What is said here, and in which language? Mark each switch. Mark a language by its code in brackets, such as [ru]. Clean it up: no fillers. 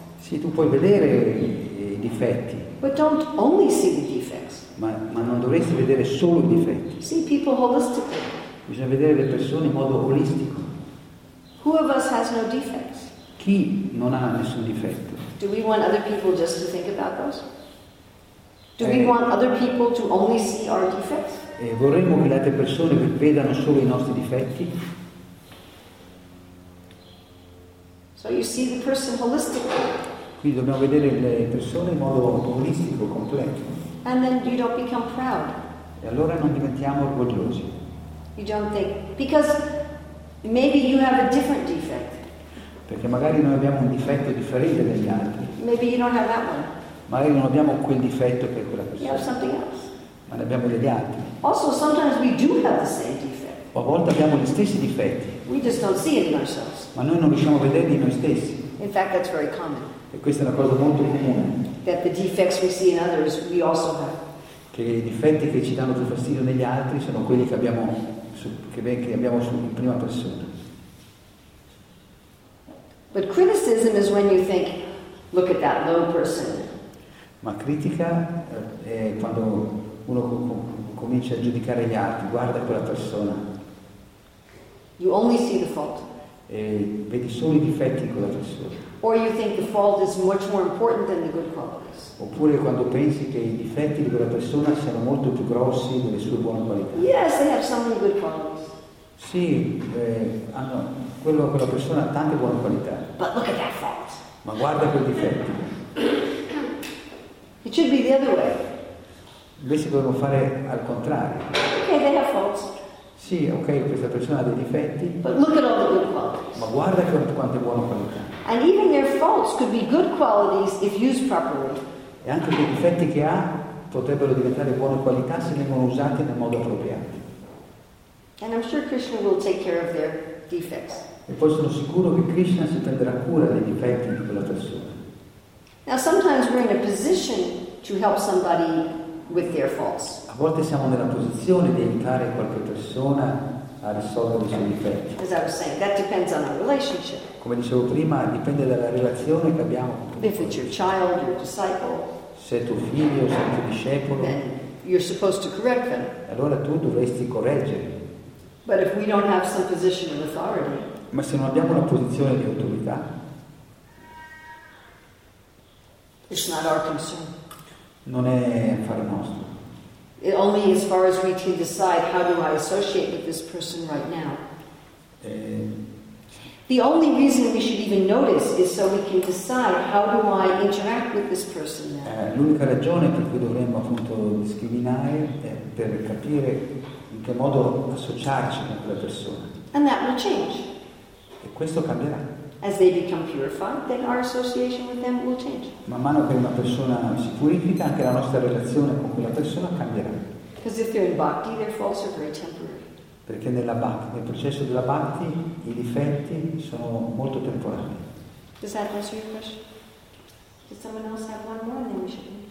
[it] Sì, tu puoi vedere i difetti. [en] But don't only see the defects. [it] Ma non dovresti vedere solo i difetti. [en] See people holistically. [it] Bisogna vedere le persone in modo olistico. [en] Who of us has no defects? [it] Chi non ha nessun difetto? [en] Do we want other people just to think about those? Do we want other people to only see our defects? [it] E vorremmo che le altre persone vedano solo i nostri difetti. [en] So you see the person holistically. [it] Quindi dobbiamo vedere le persone in modo holistico, completo. [en] And then you don't become proud. [it] E allora non diventiamo orgogliosi. [en] You don't think, because maybe you have a different defect. [it] Perché magari noi abbiamo un difetto differente dagli altri. [en] Maybe you don't have that one. [it] Magari non abbiamo quel difetto per quella persona. [en] You have something else. [it] Ma ne abbiamo degli altri. [en] Also, sometimes we do have the same defect. [it] A volte abbiamo gli stessi difetti. [en] We just don't see it in ourselves. [it] Ma noi non riusciamo a vederli in noi stessi. [en] In fact, that's very common. [it] E questa è una cosa molto comune. [en] That the defects we see in others, we also have. [it] Che i difetti che ci danno più fastidio negli altri sono quelli che abbiamo in prima persona. [en] But criticism is when you think, look at that low person. [it] Ma critica è quando uno comincia a giudicare gli altri, guarda quella persona. [en] You only see the fault. [it] E vedi solo i difetti in quella persona. [en] Or you think the fault is much more important than the good qualities. [it] Oppure quando pensi che i difetti di quella persona siano molto più grossi delle sue buone qualità. [en] Yes, they have so many good qualities. [it] Sì, hanno quella persona ha tante buone qualità. [en] But look at that fault. [it] Ma guarda quel difetto. [en] It should be the other way. [it] Invece dovremmo fare al contrario. [en] Okay, they have faults. [it] Sì, ok, questa persona ha dei difetti. [en] But look at all the good qualities. [it] Ma guarda quante buone qualità. [en] And even their faults could be good qualities if used properly. [it] E anche quei difetti che ha potrebbero diventare buone qualità se vengono usati nel modo appropriato. [en] And I'm sure Krishna will take care of their defects. [it] E poi sono sicuro che Krishna si prenderà cura dei difetti di quella persona. [en] Now sometimes we're in a position to help somebody with their faults. [it] A volte siamo nella posizione di aiutare qualche persona a risolvere i suoi difetti. [en] As I was saying, that depends on our relationship. [it] Come dicevo prima, dipende dalla relazione che abbiamo. [en] If it's your child, your disciple. [it] Se è tuo figlio, se è tuo discepolo. [en] Then you're supposed to correct them. [it] Allora tu dovresti correggere. [en] But if we don't have some position of authority. [it] Ma se non abbiamo una posizione di autorità. [en] It's not our concern. [it] Non è affare nostro. [en] It only as far as we can decide how do I associate with this person right now. The only reason we should even notice is so we can decide how do I interact with this person now. [it] L'unica ragione per cui dovremmo appunto discriminare è per capire in che modo associarci con quella persona. [en] And that will change. [it] E questo cambierà. [en] As they become purified, then our association with them will change. [it] Man mano che una persona si purifica, anche la nostra relazione con quella persona cambierà. [en] Because if they're in bhakti, their faults are very temporary. [it] Perché nella bhakti, nel processo della bhakti, i difetti sono molto temporanei. [en] Does that answer your question? Does someone else have one more? And then we should